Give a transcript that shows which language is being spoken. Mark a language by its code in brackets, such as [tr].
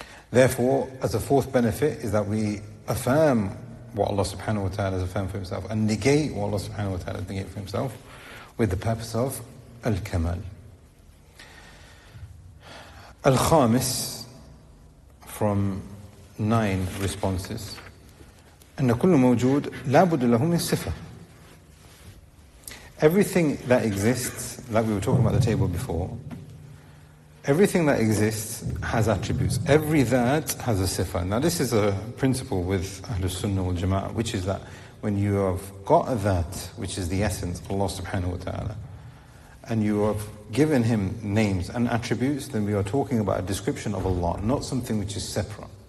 [en] Therefore, as a fourth benefit, is that we affirm what Allah subhanahu wa ta'ala has affirmed for Himself, and negate what Allah subhanahu wa ta'ala has negated for Himself, with the purpose of Al-Kamal. [ar] Al-Khamis, [en] from nine responses, [ar] أَنَّ كُلُّ مَوْجُودٍ لَابُدُ لَهُ مِنْ صِفَةٍ. [en] Everything that exists, like we were talking about the table before, everything that exists has attributes. Every that has a sifa. Now this is a principle with Ahlul Sunnah wal-Jama'ah, which is that when you have got that, which is the essence, Allah subhanahu wa ta'ala, and you have given Him names and attributes, then we are talking about a description of Allah, not something which is separate.